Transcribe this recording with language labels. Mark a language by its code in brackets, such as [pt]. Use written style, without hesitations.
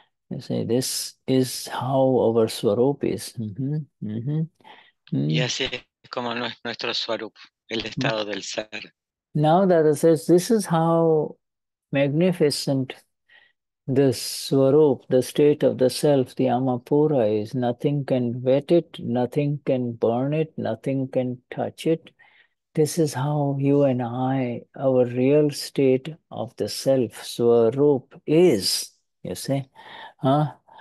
[en] You see, this is how our swaroop is. Mm-hmm. Mm-hmm. [es] Mm. Y así es como nuestro swaroop, el estado del ser. [en] Now Dada says, this is how magnificent the swaroop, the state of the self, the amapura is. Nothing can wet it, nothing can burn it, nothing can touch it. This is how you and I, our real state of the self, swaroop, is, you see. Huh?